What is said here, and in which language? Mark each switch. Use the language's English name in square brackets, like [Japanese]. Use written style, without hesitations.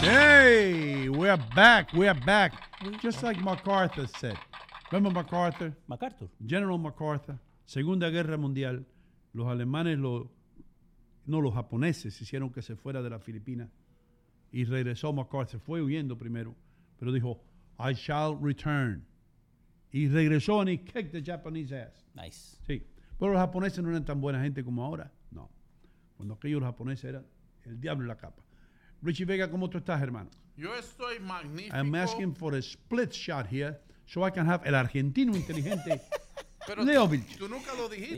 [English] Hey, we're back, we're back. Just like MacArthur said. Remember MacArthur? MacArthur. [Spanish] General MacArthur. Segunda Guerra Mundial. Los alemanes, los japoneses, hicieron que se fuera de las Filipinas. Y regresó MacArthur. Fue huyendo primero, pero dijo, [English] I shall return. [Spanish] Y regresó [English] and he kicked the Japanese ass. Nice. [Spanish] Sí. Pero los japoneses no eran tan buena gente como ahora. No. Cuando aquellos japoneses eran el diablo en la capa. Richie Vega, ¿cómo tú estás, hermano? Yo estoy magnífico. [English] I'm asking for a split shot here so I can have [Spanish] el argentino inteligente. Pero Leo Vilches. Tú nunca lo dijiste.